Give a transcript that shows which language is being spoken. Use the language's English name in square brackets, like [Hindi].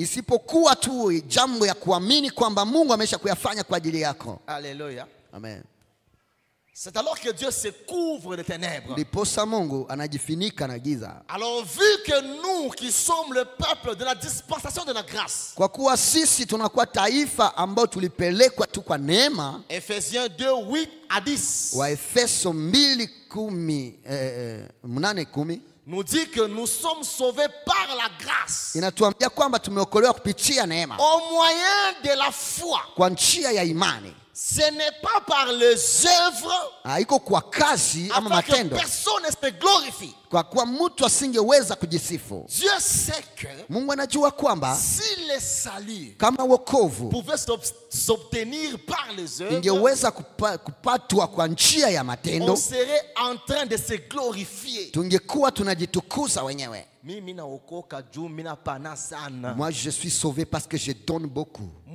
[Swahili] isipokuwa tu jambo ya kuamini kwamba Mungu amesha kuyafanya kwa ajili yako. [French] Alléluia. Amen. C'est alors que Dieu se couvre de ténèbres. [Swahili] Liposa Mungu anajifunika na giza. [French] Alors vu que nous qui sommes le peuple de la dispensation de la grâce. [Swahili] Kwa kuwa sisi tunakuwa taifa ambao tulipelekwa tu kwa neema. [French] Ephésiens 2, 8 à 10. [Swahili] Wa Efeso 2, 10, 8, 10. [French] Nous dit que nous sommes sauvés par la grâce. [Swahili] Inatuambia kwamba tumeokolewa kupitia neema. [French] Au moyen de la foi. [Swahili] Kwa njia ya imani. [French] Ce n'est pas par les œuvres [Swahili] aiko kwa kazi ama matendo [French] personne se glorifie. [Swahili] Kwa kuwa mtu asingeweza kujisifu. [French] Dieu sait que [Swahili] Mungu anajua kwamba [French] si le salut [Swahili] kama wokovu [French] pouvait s'obtenir par les œuvres, [Swahili] ingeweza kupatwa kwa njia ya matendo, [French] on serait en train de se glorifier, [Swahili] tungekuwa tunajitukuza wenyewe. Mimi na okoka juu mina pana sana. [French] Moi je suis sauvé parce que je donne beaucoup.